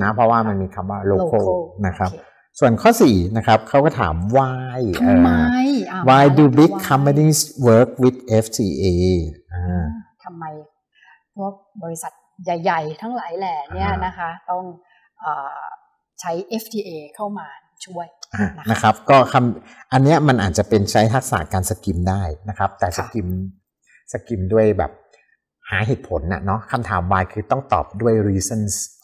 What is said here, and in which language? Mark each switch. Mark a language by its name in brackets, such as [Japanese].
[Thai] นะเพราะว่ามันมีคำว่า local นะครับส่วนข้อ4นะครับเขาก็ถาม why ทำไม [English] why do big companies work with FCA [Thai] ทำไมพวกบริษัทใหญ่ๆทั้งหลายแหล่เนี่ยนะคะต้องใช้ FTA เข้ามาช่วย นะครับก็คำอันนี้มันอาจจะเป็นใช้ทักษะการสกิมได้นะครับแต่สกิมด้วยแบบหาเหตุผลน่ะเนาะคำถาม why คือต้องตอบด้วย reasons okay.